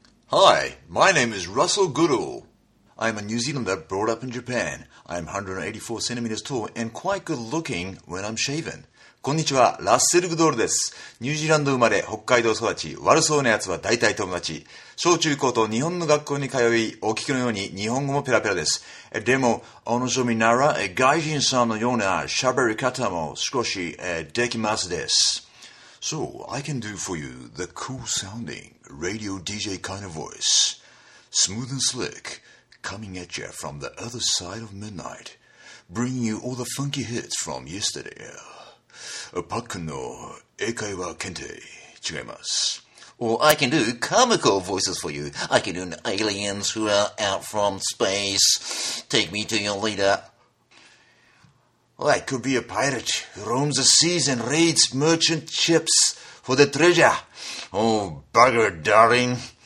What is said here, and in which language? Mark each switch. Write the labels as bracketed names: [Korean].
[English] Hi, my name is Russell Goodall. I am a New Zealander brought up in Japan. I am 184 centimeters tall and quite good looking when I'm shaven. [Japanese] こんにちは、ラッセル・グドールです。ニュージーランド生まれ、北海道育ち、悪そうな奴は大体友達。小中高と日本の学校に通い、お聞きのように日本語もペラペラです。でも、お望みなら、外人さんのような喋り方も少し、できますです。 [English] So, I can do for you the cool sounding radio DJ kind of voice. Smooth and slick, coming at you from the other side of midnight, bringing you all the funky hits from yesterday. [Japanese] パックの英会話検定違います。 [English] Or I can do comical voices for you. I can do an aliens who are out from space. Take me to your leader. Or I could be a pirate who roams the seas and raids merchant ships for the treasure. Oh, bugger, darling.